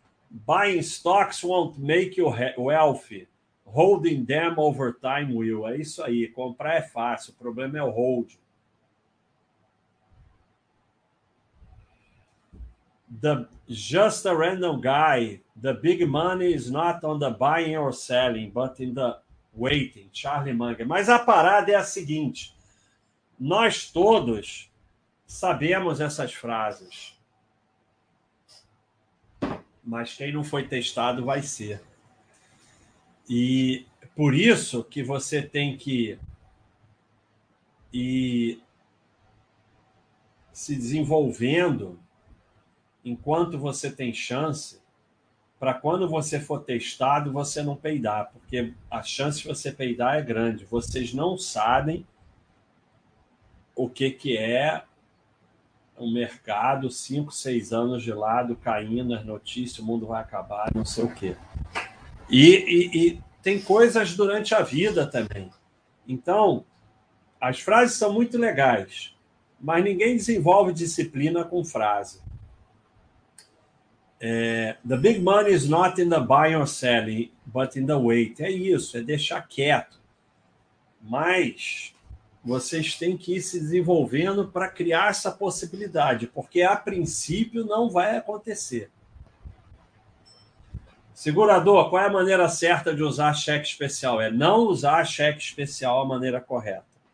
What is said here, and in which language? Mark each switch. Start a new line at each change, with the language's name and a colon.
English: Buying stocks won't make you wealthy. Holding them over time will.
Portuguese: É isso aí. Comprar é fácil. O problema é o hold.
English: Just a random guy. The big money is not on the buying or selling, but in the waiting, Charlie Munger.
Portuguese: Mas a parada é a seguinte: nós todos sabemos essas frases, mas quem não foi testado vai ser. E por isso que você tem que ir se desenvolvendo enquanto você tem chance, para quando você for testado, você não peidar, porque a chance de você peidar é grande. Vocês não sabem o que, que é o mercado, 5, 6 anos de lado, caindo as notícias, o mundo vai acabar, não sei o quê. E tem coisas durante a vida também. Então, as frases são muito legais, mas ninguém desenvolve disciplina com frase.
English: The big money is not in the buying or selling, but in the wait.
Portuguese: É isso, é deixar quieto. Mas vocês têm que ir se desenvolvendo para criar essa possibilidade, porque a princípio não vai acontecer. Segurador, qual é a maneira certa de usar cheque especial? É não usar cheque especial a maneira correta.